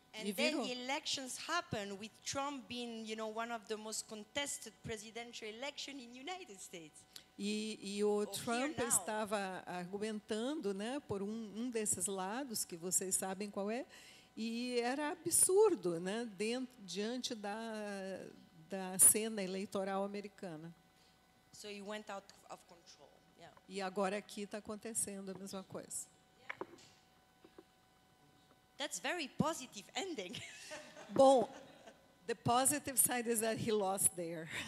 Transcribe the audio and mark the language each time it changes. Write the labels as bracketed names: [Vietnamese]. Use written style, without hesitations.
[English] And then the elections happen with Trump being, you know, one of the most contested presidential election in United States. [Portuguese] E o Trump estava argumentando, né, por um desses lados que vocês sabem qual é, e era absurdo, né, diante da cena eleitoral americana. [English] So he went out of control. Yeah. [Portuguese] E agora aqui está acontecendo a mesma coisa. [English] That's very positive ending. Bom, the positive side is that he lost there.